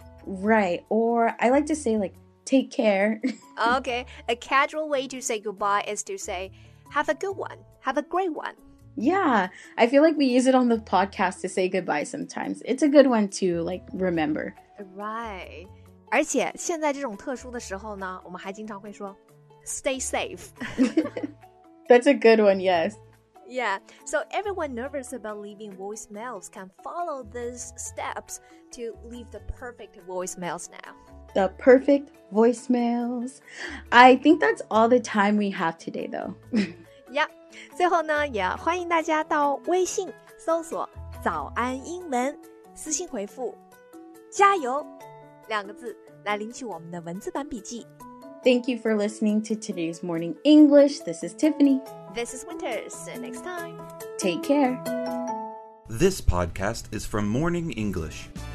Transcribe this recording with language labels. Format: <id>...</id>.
<en>Right, or I like to say, like, take care. Okay, a casual way to say goodbye is to say, have a good one, have a great one. Yeah, I feel like we use it on the podcast to say goodbye sometimes. It's a good one to, like, remember. Right.</en> <zh>而且现在这种特殊的时候呢，我们还经常会说,</zh> <en>stay safe. That's a good one, yes. Yeah, so everyone nervous about leaving voicemails can follow these steps to leave the perfect voicemails now. The perfect voicemails. I think that's all the time we have today, though.</en> <zh>Yeah, 最后呢，也欢迎大家到微信搜索早安英文，私信回复加油两个字来领取我们的文字版笔记。</zh> <en>Thank you for listening to today's Morning English. This is Tiffany. This is Winter. See you next time. Take care. This podcast is from Morning English.</en>